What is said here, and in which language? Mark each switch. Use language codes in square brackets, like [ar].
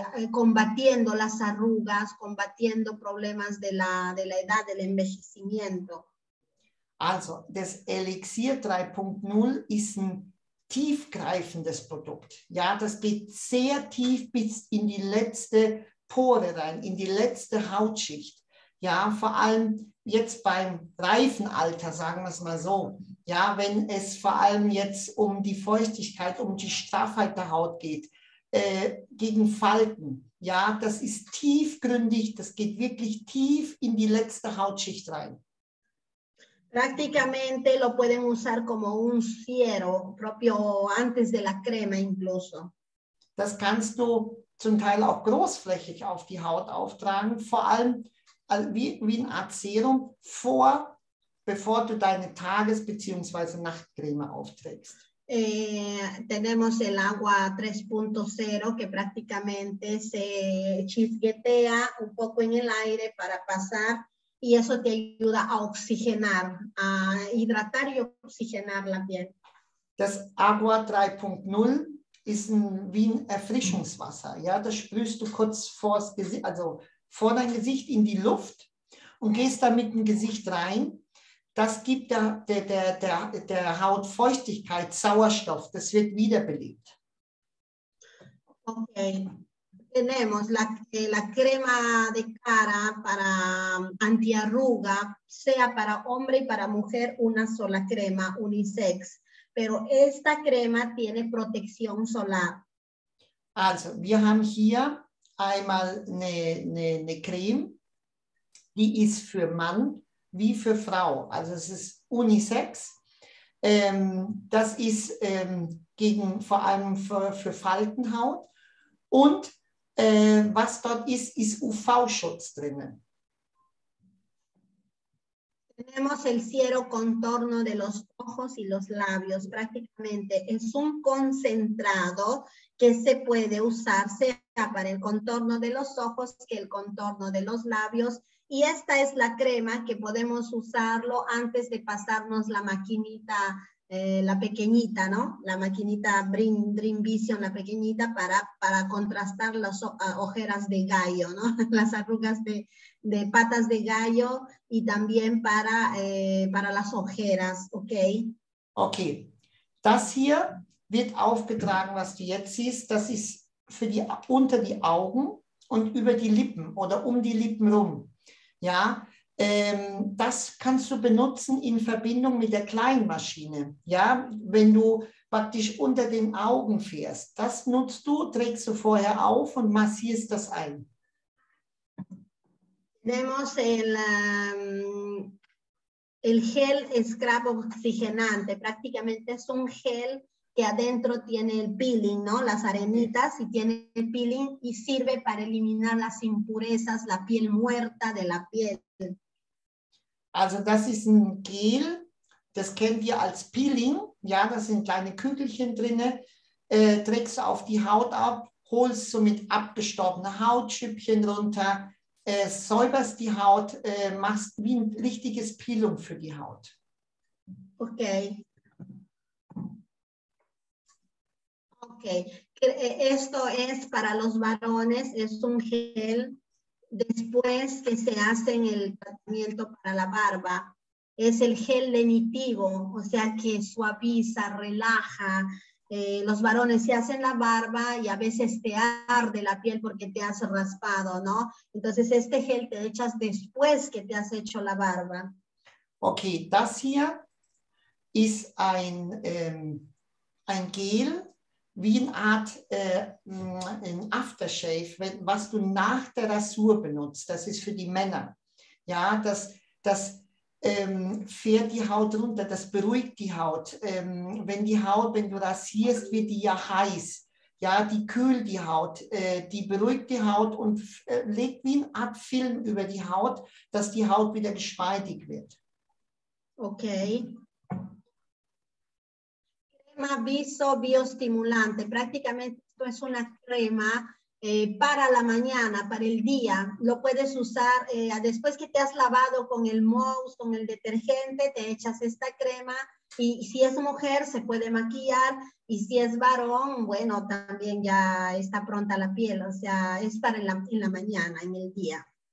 [es] combatiendo las arrugas, combatiendo problemas de la edad, del envejecimiento. [de] Also, das Elixier 3.0 ist ein tiefgreifendes Produkt. Ja, das geht sehr tief bis in die letzte Pore rein, in die letzte Hautschicht. Ja, vor allem jetzt beim Reifenalter, sagen wir es mal so. Ja, wenn es vor allem jetzt um die Feuchtigkeit, um die Straffheit der Haut geht, gegen Falten. Ja, das ist tiefgründig, das geht wirklich tief in die letzte Hautschicht rein. [es] Prácticamente lo pueden usar como un siero, propio antes de la crema incluso. [de] Das kannst du zum Teil auch großflächig auf die Haut auftragen, vor allem wie eine Art Serum, bevor du deine Tages- bzw. Nachtcreme aufträgst. [es] Tenemos el agua 3.0 que prácticamente se chisguetea un poco en el aire para pasar. Y eso te ayuda a oxigenar, a hidratar y oxigenar la piel. [de] Das Agua 3.0 ist wie ein Erfrischungswasser. Ja, das sprühst du kurz vor dein Gesicht in die Luft und gehst dann mit dem Gesicht rein. Das gibt der Haut Feuchtigkeit, Sauerstoff. Das wird wiederbelebt. Okay. [es] Tenemos la crema de cara para antiarruga, sea para hombre y para mujer, una sola crema, unisex. Pero esta crema tiene protección solar. [de] Also, wir haben hier einmal eine Creme, die ist für Mann wie für Frau. Also es ist unisex. Das ist gegen vor allem für Faltenhaut. Und was dort ist UV-Schutz drinnen. [es] Tenemos el siero contorno de los ojos y los labios. Prácticamente es un concentrado que se puede usar sea para el contorno de los ojos que el contorno de los labios. Y esta es la crema que podemos usarlo antes de pasarnos la maquinita, la pequeñita, ¿no? La maquinita Dream Vision, la pequeñita, para contrastar las ojeras de gallo, ¿no? Las arrugas de patas de gallo y también para las ojeras, ¿ok? Ok. [de] Das hier wird aufgetragen, was du jetzt siehst. Das ist für die unter die Augen und über die Lippen oder um die Lippen rum. Ja, das kannst du benutzen in Verbindung mit der Kleinmaschine. Ja, wenn du praktisch unter den Augen fährst, das nutzt du, trägst du vorher auf und massierst das ein. [es] Tenemos el gel scrub oxigenante. Prácticamente es un gel que adentro tiene el peeling, ¿no? Las arenitas y tiene el peeling y sirve para eliminar las impurezas, la piel muerta de la piel. [de] Also das ist ein Gel, das kennt ihr als Peeling, ja, das sind kleine Kügelchen drin, trägst du auf die Haut ab, holst du mit abgestorbenen Hautschüppchen runter, säuberst die Haut, machst wie ein richtiges Peeling für die Haut. Okay. [es] Okay, esto es para los varones, es un gel después que se hace en el tratamiento para la barba. Es el gel lenitivo, o sea que suaviza, relaja. Los varones se hacen la barba y a veces te arde la piel porque te has raspado, ¿no? Entonces este gel te echas después que te has hecho la barba. [de] Okay, das hier ist ein Gel, wie eine Art ein Aftershave, was du nach der Rasur benutzt. Das ist für die Männer. Ja, das fährt die Haut runter, das beruhigt die Haut. Wenn du rasierst, wird die ja heiß. Ja, die kühlt die Haut, die beruhigt die Haut und legt wie ein Art Film über die Haut, dass die Haut wieder geschmeidig wird. Okay. [es] Crema viso biostimulante. Prácticamente esto es una crema Para la mañana, para el día, lo puedes usar después que te has lavado con el mousse, con el detergente, te echas esta crema y si es mujer se puede maquillar y si es varón, bueno, también ya está pronta la piel, o sea, es para en la mañana, en el día.